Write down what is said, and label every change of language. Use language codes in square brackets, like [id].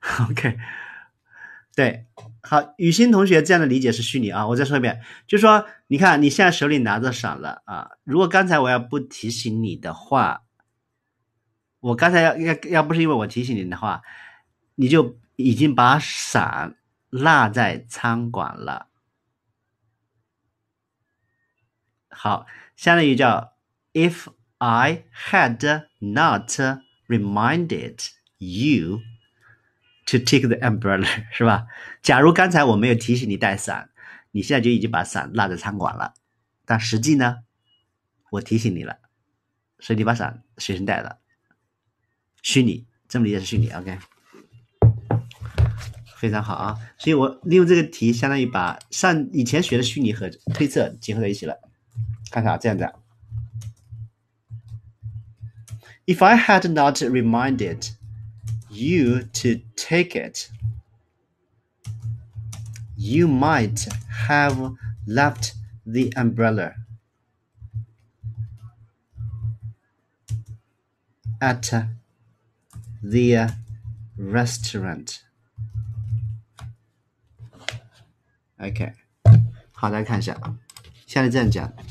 [zh] OK， 对，好，雨欣同学这样的理解是虚拟啊。我再说一遍，就说你看你现在手里拿着伞了啊，如果刚才我要不提醒你的话，我刚才要不是因为我提醒你的话，你就已经把伞落在餐馆了。好，相当于叫 [en] If I had not reminded you to take the umbrella， [zh] 是吧？假如刚才我没有提醒你带伞，你现在就已经把伞落在餐馆了，但实际呢我提醒你了，所以你把伞随身带了。虚拟，这么理解是虚拟 ，OK。非常好啊，所以我利用这个题相当于把上以前学的虚拟和推测结合在一起了。看看啊，这样子。 [en] If I had not reminded you to take it, you might have left the umbrella at the restaurant. [zh] OK, 好，大家看一下，现在这样讲。